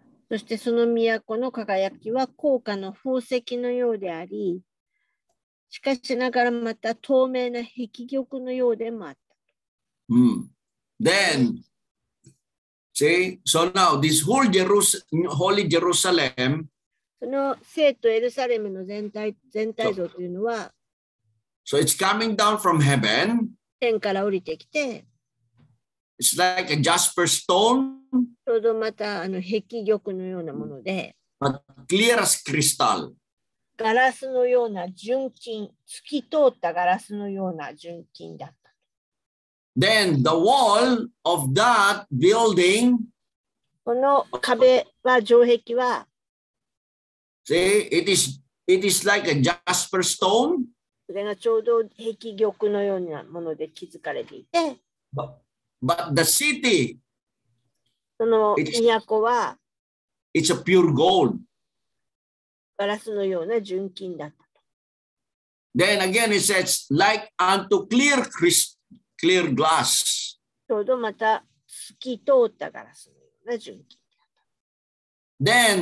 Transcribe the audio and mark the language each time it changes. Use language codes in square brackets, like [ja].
[ja] そしてその都の輝きは高価の宝石のようであり、しかしながらまた透明な碧玉のようでもあった。 [en] Mm. Then, see, so now this whole holy Jerusalem. [ja] その聖とエルサレムの全体像というのは、 [en] so it's coming down from heaven. [ja] 天から降りてきて、 [en] it's like a jasper stone. [ja] ちょうどまた碧玉のようなもので、 [en] but clear as crystal. [ja] ガラスのような純金、透き通ったガラスのような純金だった。 [en] Then the wall of that building. [ja] この壁は城壁は。 [en] See, it is like a jasper stone. [ja] それがちょうど碧玉のようなもので築かれていて。 [en] But the city, [ja] その都は、 [en] it's a pure gold. [ja] ガラスのような純金だった。 [en] Then again, it says, like unto clear glass. [ja] ちょうどまた透き通ったガラスのような純金だった。